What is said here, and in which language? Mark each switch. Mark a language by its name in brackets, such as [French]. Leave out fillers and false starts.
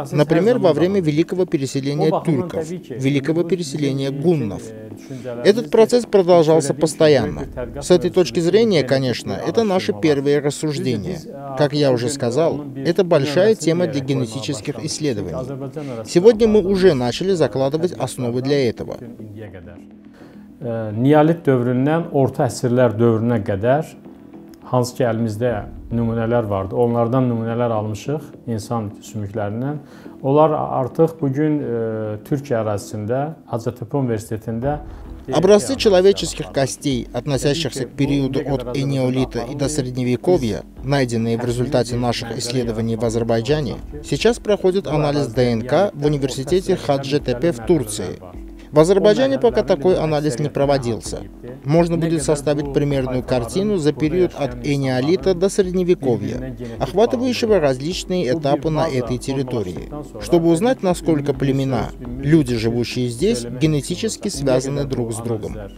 [Russian] Например, во время великого переселения тюрков, великого переселения гуннов. Этот процесс продолжался постоянно. С этой точки зрения, конечно, это наше первое рассуждение. Как я уже сказал, это большая тема для генетических исследований. Сегодня мы уже начали закладывать основы для этого. [Azerbaijani] Неолит dövründen orta əsrlər dövrünə qədər hansı ki əlimizdə nümunələr vardı. Onlardan nümunələr almışıq insan sümüklərindən. Onlar artıq bugün Türkiyə ərazisində Hacettepe Universitetində [Russian] образцы человеческих костей, относящихся к периоду от энеолита и до средневековья, найденные в результате наших исследований в Азербайджане, сейчас проходят анализ ДНК в университете Хаджитепе в Турции. В Азербайджане пока такой анализ не проводился. Можно будет составить примерную картину за период от энеолита до средневековья, охватывающего различные этапы на этой территории, чтобы узнать, насколько племена, люди, живущие здесь, генетически связаны друг с другом.